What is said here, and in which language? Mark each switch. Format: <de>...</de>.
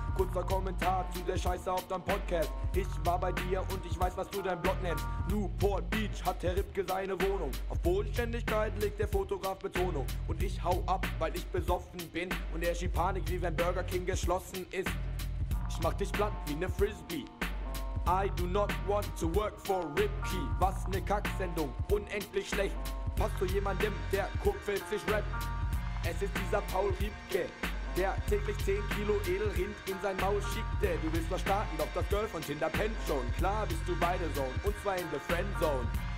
<de>Kurzer Kommentar zu der Scheiße auf deinem Podcast. Ich war bei dir und ich weiß, was du dein Blog nennst. Newport Beach hat der Ripke seine Wohnung. Auf Bodenständigkeit legt der Fotograf Betonung. Und ich hau ab, weil ich besoffen bin. Und er schiebt Panik, wie wenn Burger King geschlossen ist. Ich mach dich platt wie ne Frisbee.</de> <en>I do not want to work for Ripke.</en> <de>Was ne Kacksendung, unendlich schlecht. Passt zu jemandem, der kurzfristig rappt. Es ist dieser Paul Riebke, der täglich 10 Kilo Edelrind in sein Maul schickte. Du willst was starten, doch das Girl von Tinder pennt schon. Klar bist du beide Zone, und zwar</de> <en>in the Friendzone.</en>